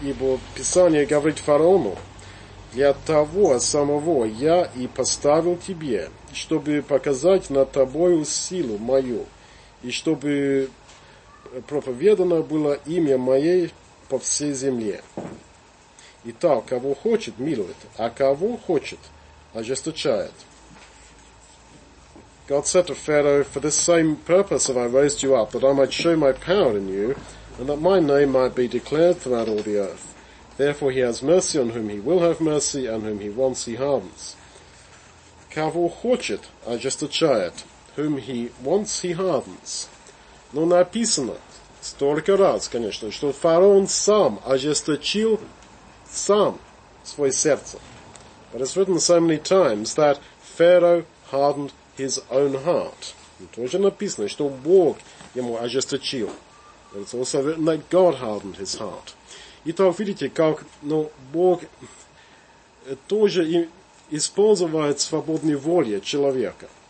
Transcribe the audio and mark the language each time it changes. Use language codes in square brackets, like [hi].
[ru] Ибо Писание говорит фараону, «Для того самого я и поставил тебе, чтобы показать над тобою силу мою, и чтобы проповедано было имя моей по всей земле. Итак, кого хочет, милует, а кого хочет, ожесточает». [en] God said to Pharaoh, "For this same purpose have I raised you up, that I might show my power in you, and that my name might be declared throughout all the earth. Therefore he has mercy on whom he will have mercy, and whom he wants he harms." [ru] Кого хочет, ожесточает, [en] whom he wants he hardens. [ru] Но написано столько раз, конечно, что фараон сам ожесточил сам свое сердце. [en] But it's written so many times that Pharaoh hardened his own heart. [ru] Тоже написано, что Бог ему ожесточил. [en] It's also written that God hardened his heart. [ru] Итак, видите, как Бог тоже использует свободные воли человека.